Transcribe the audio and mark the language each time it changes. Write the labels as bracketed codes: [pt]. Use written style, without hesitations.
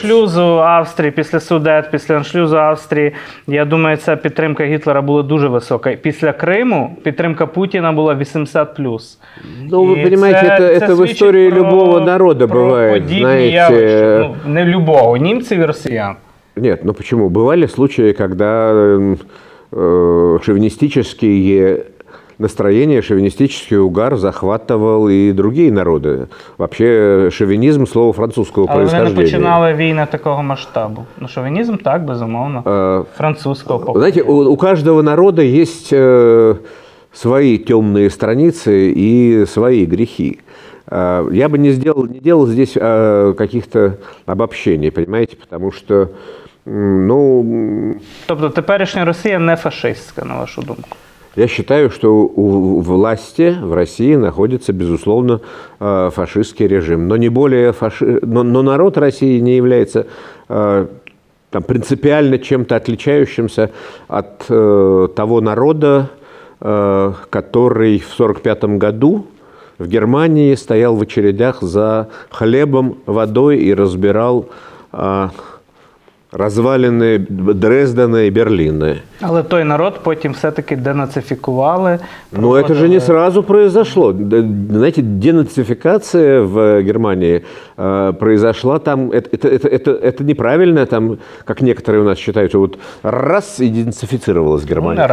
[uk] Після аншлюзу Австрії, після Судет, після аншлюзу Австрії, я думаю, ця підтримка Гітлера була дуже висока. Після Криму підтримка Путіна була 80+. Ну, ви розумієте, це в історії про, любого народу буває. Знаєте, ну, не любого, німців і росіян. [ru] Нет, ну почему? Бывали случаи, когда шовинистические настроения, шовинистический угар захватывал и другие народы. Вообще шовинизм – слово французского [uk] Але [ru] происхождения. Но они не начинали войны такого масштаба. Ну шовинизм так, безумовно, французского похода. Знаете, у каждого народа есть свои темные страницы и свои грехи. Я бы не делал здесь каких-то обобщений, понимаете, потому что... Ну, [uk] тобто теперішня Росія не фашистська, на вашу думку? [ru] Я считаю, что у власти в России находится, безусловно, фашистский режим. Но не более но народ России не является там, принципиально чем-то отличающимся от того народа, который в 1945 году в Германии стоял в очередях за хлебом, водой и разбирал развалины Дрездена и Берлина. [uk] Але той народ потім все-таки денацифікували. [ru] Ну, це ж не сразу произошло. Знаете, денацифікація в Германії произошла там, это неправильно, там, как некоторые у нас считают, вот раз идентифицировалась Германия.